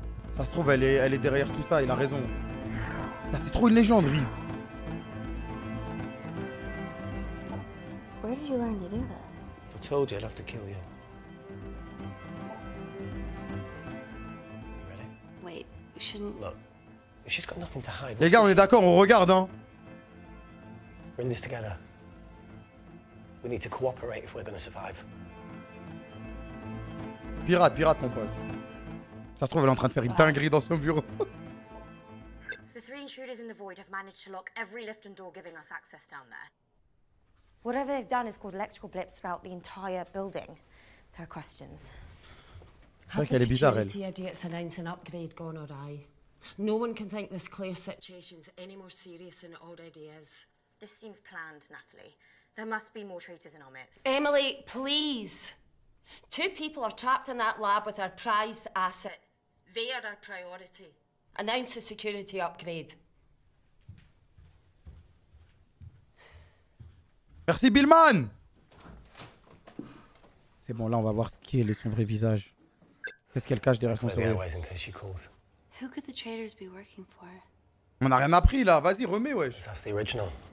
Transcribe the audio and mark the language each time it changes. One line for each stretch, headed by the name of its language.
French: Ça se trouve, elle est derrière tout ça, il a raison. Ça, c'est trop une légende, Riz.
English: Where did you learn to do this? If I told you, I'd have to kill you. Ready? Wait, we shouldn't... Look, she's got nothing to hide.
French: Les gars, on est d'accord, on regarde, hein.
English: We're in this together. We need to cooperate if we're gonna survive.
French: Pirate, mon pote. Ça se trouve, elle est en train de faire une dinguerie dans son bureau.
English: The three intruders in the void have managed to lock every lift and door giving us access down there. Whatever they've done has caused electrical blips throughout the entire building. There are questions. Have the security idiots announced an upgrade gone awry? No one can think this Claire situation is any more serious than it already is. This seems planned, Natalie. There must be more traitors in our midst. Emily, please! Two people are trapped in that lab with our prized asset. They are our priority. Announce the security upgrade.
French: Merci, Billman. C'est bon, là, on va voir ce qui est son vrai visage. Qu'est-ce qu'elle cache derrière son sourire?
English: Who could the traitors be working for?
French: On n'a rien appris, là. Vas-y, remets, wesh.
English: That's the original.